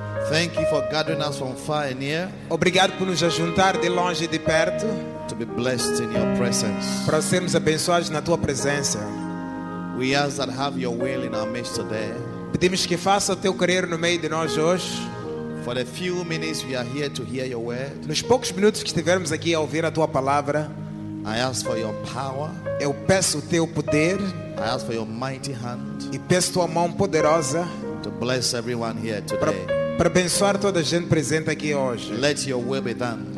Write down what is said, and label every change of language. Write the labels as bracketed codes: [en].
[en] Thank you for gathering us from far and near. [pt] Obrigado por nos juntar de longe e de perto. [en] To be blessed in your presence. [pt] Para sermos abençoados na tua presença. [en] We ask that have your will in our midst today. [pt] Pedimos que faça o teu querer no meio de nós hoje. [en] For the few minutes we are here to hear your word. [pt] Nos poucos minutos que estivermos aqui a ouvir a tua palavra. [en] I ask for your power. [pt] Eu peço o teu poder. [en] I ask for your mighty hand. [pt] E peço tua mão poderosa. [en] To bless everyone here today. [pt] Para abençoar toda a gente presente aqui hoje. [en] Let your will be done.